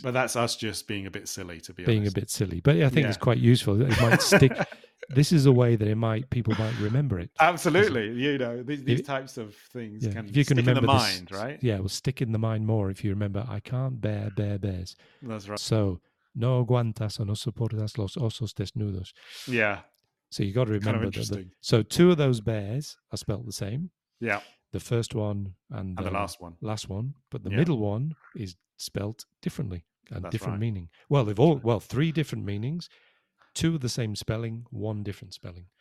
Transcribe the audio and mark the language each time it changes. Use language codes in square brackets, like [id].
[en] But that's us just being a bit silly, to be honest. Being a bit silly. But I think it's quite useful. It might stick. This is a way that people might remember it. Absolutely. You know, these types of things can stick in the mind, right? Yeah, it will stick in the mind more if you remember, I can't bear bear bears. That's right. [es] So, no aguantas o no soportas los osos desnudos. [en] Yeah. So you got to remember kind of interesting. That. So two of those bears are spelt the same. Yeah. The first one and the last one. Last one. But the middle one is spelt differently and different meaning. Well, three different meanings. Two of the same spelling, one different spelling.